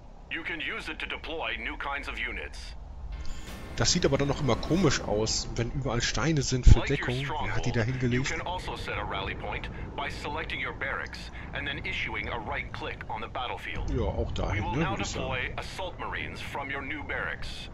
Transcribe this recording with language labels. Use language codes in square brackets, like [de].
[en] You can use it to deploy new kinds of units. [de] Das sieht aber dann noch immer komisch aus, wenn überall Steine sind für Deckung. Wer hat die da hingelegt? [en] You can also set a rally point by selecting your barracks and then issuing a right click on the battlefield. [de] Ja, auch dahin, ne? [en] We will now deploy assault marines from your new barracks.